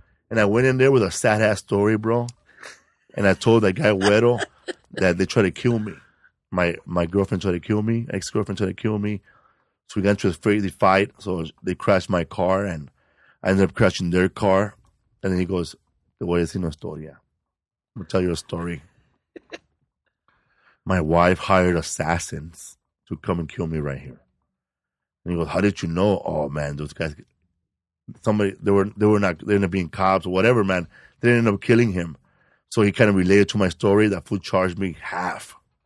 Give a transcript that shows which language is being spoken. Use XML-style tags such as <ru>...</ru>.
<en>And I went in there with a sad ass story, bro. And I told that guy Güero that they tried to kill me. My girlfriend tried to kill me. Ex girlfriend tried to kill me. So we got into a crazy fight. So they crashed my car, and I ended up crashing their car. And then he goes,</en> <es>"Te voy a decir una historia.</es> <en>I'm gonna tell you a story. My wife hired assassins to come and kill me right here." And he goes, "How did you know?" "Oh man, those guys, somebody, they ended up being cops or whatever, man. They ended up killing him." So he kind of related to my story. That fool charged me half.</en>